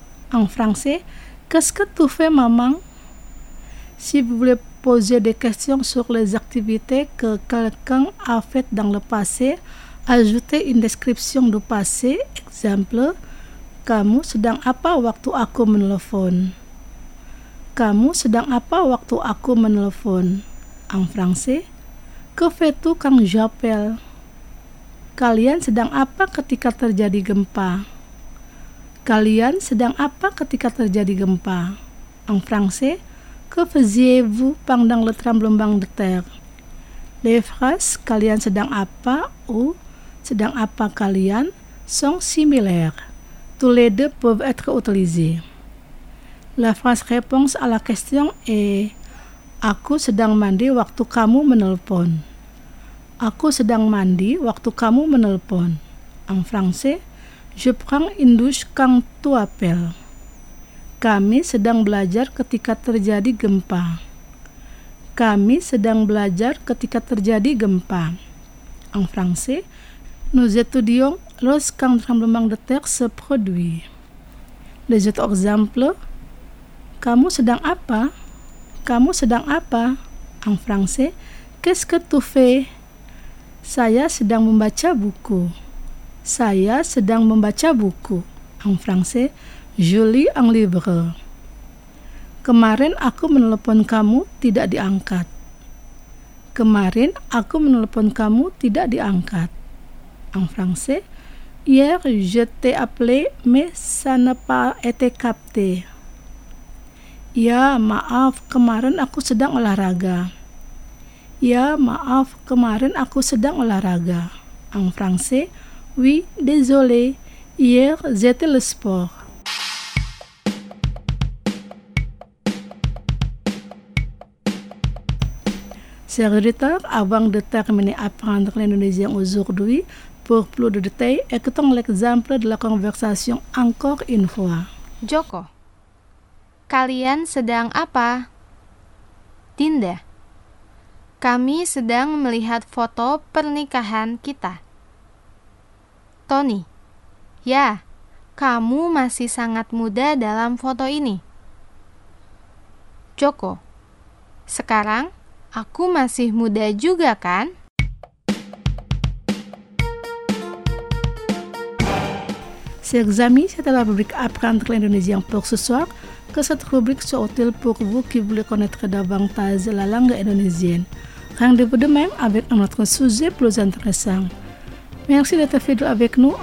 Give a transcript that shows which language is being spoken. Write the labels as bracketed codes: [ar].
[fr] En français, qu'est-ce que tu fais, maman? Si vous voulez poser des questions sur les activités que quelqu'un a faites dans le passé, ajoutez une description du passé, exemple, [id] kamu sedang apa waktu aku menelpon? Kamu sedang apa waktu aku menelpon? [fr] En français, que fais-tu quand j'appelle? [id] Kalian sedang apa ketika terjadi gempa? Kalian sedang apa ketika terjadi gempa? [fr] En français, que faisiez-vous pendant le tremblement de terre? Les phrases [id] kalian sedang apa [fr] ou [id] sedang apa kalian [fr] sont similaires. Tous les deux peuvent être utilisés. La phrase réponse à la question est [id] aku sedang mandi waktu kamu menelpon. Aku sedang mandi waktu kamu menelpon. [fr] En français, je prends une douche quand tu appelles. [id] Kami sedang belajar ketika terjadi gempa. Kami sedang belajar ketika terjadi gempa. [fr] En français, nous étudions lorsqu'un tremblement de terre se produit. Les autres exemples. [id] Kamu sedang apa? Kamu sedang apa? [fr] En français, qu'est-ce que tu fais? [id] Saya sedang membaca buku. Saya sedang membaca buku. [fr] En français, je lis un livre. [id] Kemarin aku menelpon kamu tidak diangkat. Kemarin aku menelpon kamu tidak diangkat. [fr] En français, hier je t'ai appelé mais ça n'a pas été capté. [id] Ya, maaf, kemarin aku sedang olahraga. Ya, maaf, kemarin aku sedang olahraga. [fr] En français, oui, désolé, hier j'étais le sport. Chers auditeurs, avant de terminer, apprendre l'indonésien aujourd'hui, pour plus de détails, écoutons l'exemple de la conversation encore une fois. [id] Joko, kalian sedang apa? Dinda, kami sedang melihat foto pernikahan kita. Tony, ya, kamu masih sangat muda dalam foto ini. Joko, sekarang aku masih muda juga kan? [fr] Chers amis, c'est la rubrique Apprendre l'indonésien pour ce soir. Que cette rubrique soit utile pour vous qui voulez connaître davantage la langue indonésienne. Rendez-vous demain avec un autre sujet plus intéressant. Merci d'être fidèle avec nous.